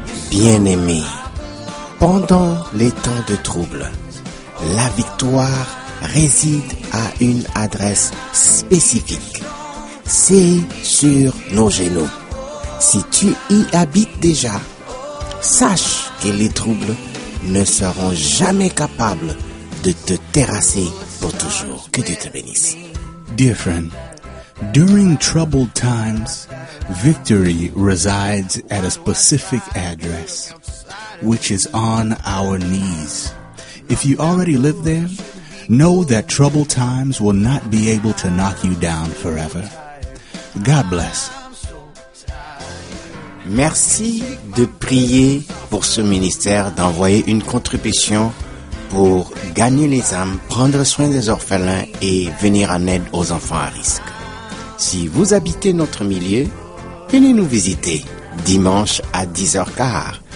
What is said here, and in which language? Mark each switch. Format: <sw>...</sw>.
<fr>Bien-aimé, pendant les temps de trouble, la victoire réside à une adresse spécifique. C'est sur nos genoux. Si tu y habites déjà, sache que les troubles ne seront jamais capables de te terrasser pour toujours. Que Dieu te bénisse.</fr> <en>Dear friend, during troubled times, victory resides at a specific address, which is on our knees. If you already live there, know that troubled times will not be able to knock you down forever. God bless.</en> <fr>Merci de prier pour ce ministère, d'envoyer une contribution pour gagner les âmes, prendre soin des orphelins et venir en aide aux enfants à risque. Si vous habitez notre milieu, venez nous visiter dimanche à 10h15.</fr>